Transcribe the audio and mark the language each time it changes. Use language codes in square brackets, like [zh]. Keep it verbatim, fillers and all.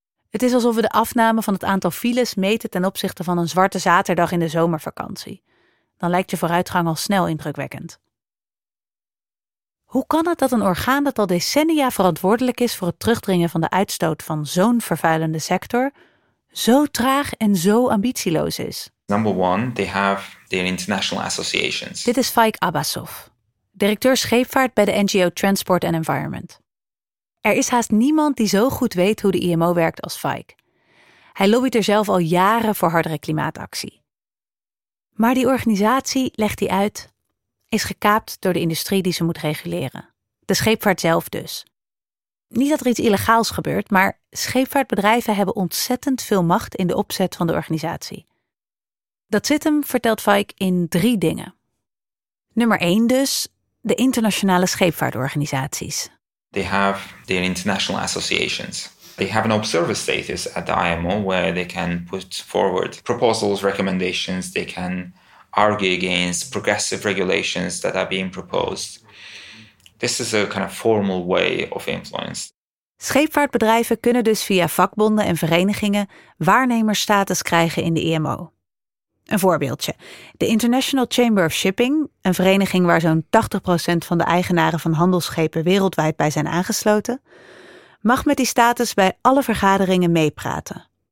[nl] Het is alsof we de afname van het aantal files meten ten opzichte van een zwarte zaterdag in de zomervakantie. Dan lijkt je vooruitgang al snel indrukwekkend. Hoe kan het dat een orgaan dat al decennia verantwoordelijk is voor het terugdringen van de uitstoot van zo'n vervuilende sector zo traag en zo ambitieloos is? [en] Number one, they have their international associations. [nl] Dit is Faik Abbasov, directeur scheepvaart bij de N G O Transport and Environment. Er is haast niemand die zo goed weet hoe de I M O werkt als Faik. Hij lobbyt er zelf al jaren voor hardere klimaatactie. Maar die organisatie, legt hij uit, is gekaapt door de industrie die ze moet reguleren. De scheepvaart zelf dus. Niet dat er iets illegaals gebeurt, maar scheepvaartbedrijven hebben ontzettend veel macht in de opzet van de organisatie. Dat zit hem, vertelt Vaik, in drie dingen. Nummer één dus, de internationale scheepvaartorganisaties. [en] They have their international associations. They have an observer status at the I M O where they can put forward proposals, recommendations. They can argue against progressive regulations that are being proposed. This is a kind of formal way of influence. [nl] Scheepvaartbedrijven kunnen dus via vakbonden en verenigingen waarnemersstatus krijgen in de I M O. Een voorbeeldje. De International Chamber of Shipping, een vereniging waar zo'n tachtig procent van de eigenaren van handelsschepen wereldwijd bij zijn aangesloten, mag met die status bij alle vergaderingen meepraten.